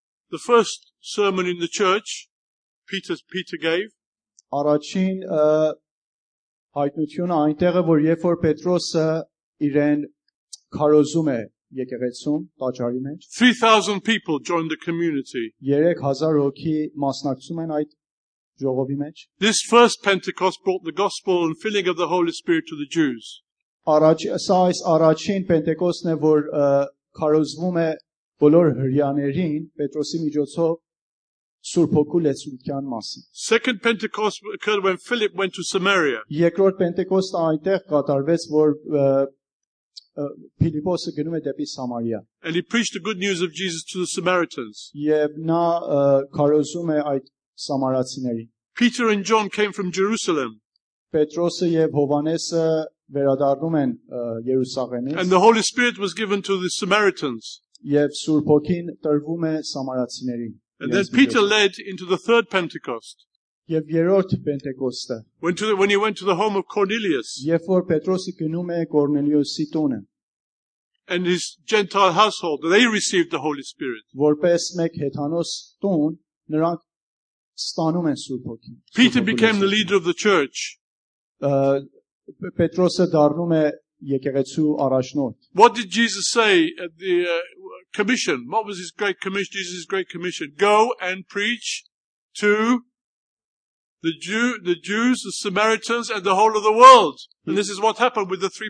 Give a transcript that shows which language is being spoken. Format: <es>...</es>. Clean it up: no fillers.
<en>The first sermon in the church, Peter gave.</en> <hy>Առաջին հայտնությունը այնտեղ է, որ երբ որ Պետրոսը իրեն քարոզում է եկեղեցում տաճարի մեջ</hy> <en>3000 people joined the community</en> <hy>3000 հոգի մասնակցում են այդ ժողովի մեջ</hy> <en>This first Pentecost brought the gospel and filling of the Holy Spirit to the Jews</en> <hy>Առաջին Պենտեկոստն է որ քարոզվում է բոլոր հրյաներին Պետրոսի միջոցով Սուրբ Հոգու լեցուցիչան մասին</hy> <en>Second Pentecost occurred when Philip went to Samaria</en> <hy>Երկրորդ Պենտեկոստ այնտեղ կատարվեց որ Փիլիպոսը գնում է դեպի Սամարիա։</hy> <en>And he preached the good news of Jesus to the Samaritans.</en> <hy>Եվ նա քարոզում է այդ սամարացիներին։</hy> <en>Peter and John came from Jerusalem.</en> <hy>Պետրոսը եւ Հովանեսը վերադառնում են Երուսաղեմից։</hy> <en>And the Holy Spirit was given to the Samaritans.</en> <hy>Եվ Սուրբ Հոգին տրվում է սամարացիներին։</hy> <en>And then Peter led into the third Pentecost.</en> <hy>Եվ երրորդ Պենտեկոստը</hy> <en>When he went to the home of Cornelius.</en> <hy>Եվ որ Պետրոսը գնում է Կորնելիոսի տունը.</hy> <en>And his Gentile household they received the Holy Spirit.</en> <hy>Որպես մեկ հեթանոս տուն նրանք ստանում են Սուրբ Հոգին.</hy> <en>Peter became the leader of the church.</en> <hy>Պետրոսը դառնում է եկեղեցու առաջնորդ.</hy> <en>What did Jesus say at the commission? What was his great commission? Jesus' great commission. Go and preach to the Jews, the Samaritans, and the whole of the world. And this is what happened with the three</en>